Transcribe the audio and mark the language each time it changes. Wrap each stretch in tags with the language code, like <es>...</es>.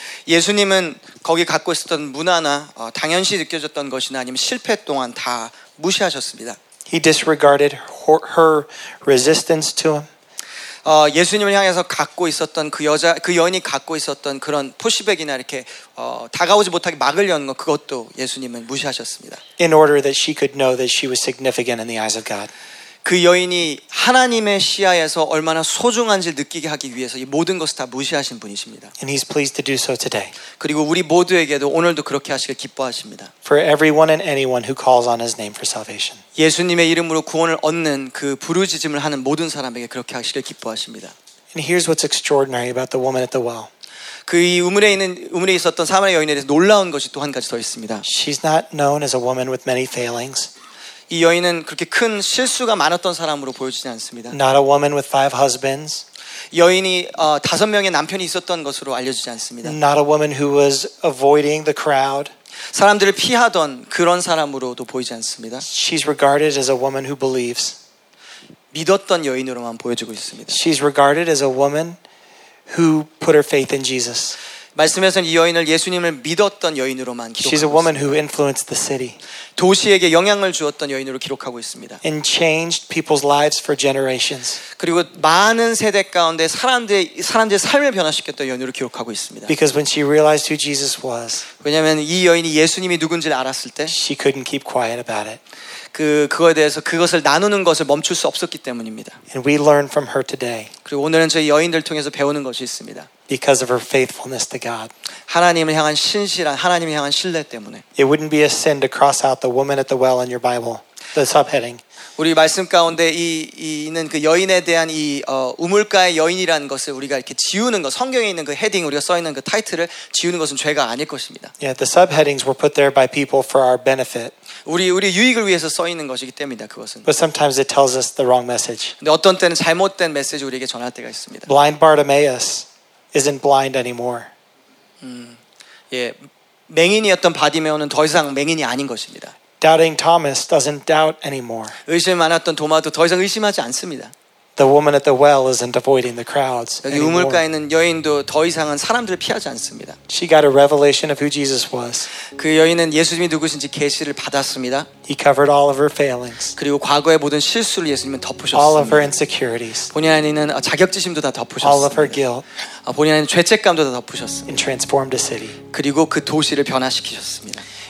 <ko>예수님은 거기 갖고 있었던 문화나 당연시 느껴졌던 것이나 아니면 실패 동안 다 무시하셨습니다.</ko> <en>He disregarded her resistance to him.</en> <ko>예수님을 향해서 갖고 있었던 그 여인이 갖고 있었던 그런 포시백이나 이렇게 다가오지 못하게 막으려는 것 그것도 예수님은 무시하셨습니다.</ko> <en>In order that she could know that she was significant in the eyes of God.</en> <ko>그 여인이 하나님의 시야에서 얼마나 소중한지 느끼게 하기 위해서 이 모든 것을 다 무시하신 분이십니다.</ko> <en>And he's pleased to do so today.</en> <ko>그리고 우리 모두에게도 오늘도 그렇게 하시길 기뻐하십니다.</ko> <en>For everyone and anyone who calls on his name for salvation.</en> <ko>예수님의 이름으로 구원을 얻는 그 부르짖음을 하는 모든 사람에게 그렇게 하시길 기뻐하십니다.</ko> <en>And here's what's extraordinary about the woman at the well.</en> <ko>그 이 우물에 있었던 사마리아 여인에 대해서 놀라운 것이 또 한 가지 더 있습니다.</ko> <en>She's not known as a woman with many failings.</en> <ko>이 여인은 그렇게 큰 실수가 많았던 사람으로 보여지지 않습니다.</ko> <en>Not a woman with five husbands.</en> <ko>여인이 다섯 명의 남편이 있었던 것으로 알려지지 않습니다.</ko> <en>Not a woman who was avoiding the crowd.</en> <ko>사람들을 피하던 그런 사람으로도 보이지 않습니다.</ko> <en>She's regarded as a woman who believes.</en> <ko>믿었던 여인으로만 보여지고 있습니다.</ko> <en>She's regarded as a woman who put her faith in Jesus.</en> <ko>말씀에서는 이 여인을 예수님을 믿었던 여인으로만 기록하고</ko> <en>She's a woman</en> <ko>있습니다.</ko> <en>who influenced the city.</en> <ko>도시에게 영향을 주었던 여인으로 기록하고 있습니다.</ko> <en>And changed people's lives for generations.</en> <ko>그리고 많은 세대 가운데 사람들의 삶을 변화시켰던 여인으로 기록하고 있습니다.</ko> <en>Because when she realized who Jesus was.</en> <ko>왜냐면 이 여인이 예수님이 누군지를 알았을 때</ko> <en>She couldn't keep quiet about it.</en> <ko>그거에 대해서 그것을 나누는 것을 멈출 수 없었기 때문입니다.</ko> <en>And we learn from her today.</en> <ko>그리고 오늘은 저희 여인들 통해서 배우는 것이 있습니다.</ko> <en>Because of her faithfulness to God.</en> <ko>하나님을 향한 신실한 하나님을 향한 신뢰 때문에.</ko> <en>It wouldn't be a sin to cross out the woman at the well in your Bible. The subheading.</en> <ko>우리 말씀 가운데 있는 그 여인에 대한 이 우물가의 여인이라는 것을 우리가 이렇게 지우는 것 성경에 있는 그 헤딩 우리가 써 있는 그 타이틀을 지우는 것은 죄가 아닐 것입니다.</ko> <en>Yeah, the subheadings were put there by people for our benefit.</en> <ko>우리 유익을 위해서 써 있는 것이기 때문이다 그것은.</ko> <en>But sometimes it tells us the wrong message.</en> <ko>근데 어떤 때는 잘못된 메시지 우리에게 전할 때가 있습니다.</ko> <en>Blind Bartimaeus isn't blind anymore.</en> <ko>예, 맹인이었던 바디메오는 더 이상 맹인이 아닌 것입니다.</ko> <en>Doubting Thomas doesn't doubt anymore.</en> <ko>의심 많았던 도마도 더 이상 의심하지 않습니다.</ko> <en>The woman at the well isn't avoiding the crowds.</en> <ko>여기 우물가에 있는 여인도 더 이상은 사람들을 피하지 않습니다.</ko> <en>She got a revelation of who Jesus was.</en> <ko>그 여인은 예수님이 누구신지 계시를 받았습니다.</ko> <en>He covered all of her failings.</en> <ko>그리고 과거의 모든 실수를 예수님은 덮으셨습니다.</ko> <en>All of her insecurities.</en> <ko>본인 안에는 자격지심도 다 덮으셨습니다.</ko> <en>All of her guilt.</en> <ko>본인 안에는 죄책감도 다 덮으셨습니다.</ko> <en>And transformed a city.</en> <ko>그리고 그 도시를 변화시키셨습니다.</ko>